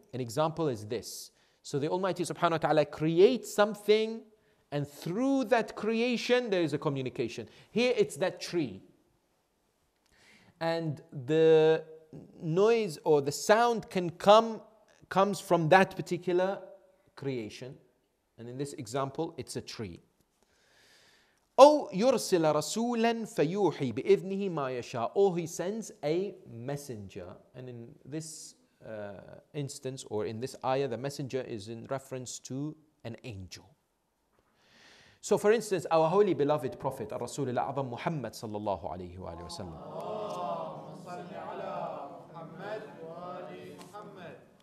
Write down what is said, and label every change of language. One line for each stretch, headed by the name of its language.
English: An example is this. So the Almighty subhanahu wa ta'ala creates something, and through that creation, there is a communication. Here, it's that tree. And the noise or the sound can comes from that particular creation. And in this example, it's a tree.
Arabic: أو يرسل رسولا فيوحي بإذنه ما يشاء.
English: Or he sends a messenger. And in this instance, or in this ayah, the messenger is in reference to an angel. So for instance, our holy beloved Prophet, Rasulullah Azam Muhammad sallallahu alayhi wa sallam.
Arabic: Allahumma salli ala Muhammad wa ali Muhammad.